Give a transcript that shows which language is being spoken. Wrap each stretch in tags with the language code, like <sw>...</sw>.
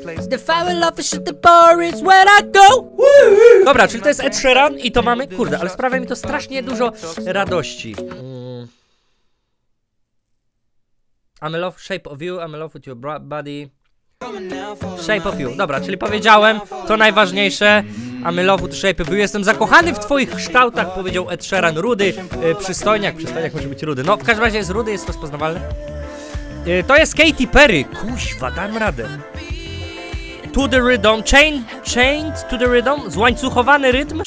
<en>The foul office at the bar is where I go.</en> <pl>Dobra, czyli to jest Ed Sheeran i to mamy, kurde, ale sprawia mi to strasznie dużo radości.</pl> <en>I'm in love, shape of you, I'm in love with your body. Shape of you,</en> <pl>dobra, czyli powiedziałem to najważniejsze.</pl> <en>I'm in love with shape of you,</en> <pl>jestem zakochany w twoich kształtach, powiedział Ed Sheeran. Rudy, przystojniak może być rudy. No, w każdym razie jest rudy, jest rozpoznawalny. To jest Katy Perry, kuźwa, dam radę.</pl> <en>To the rhythm, chained to the rhythm,</en> <pl>złańcuchowany rytm.</pl>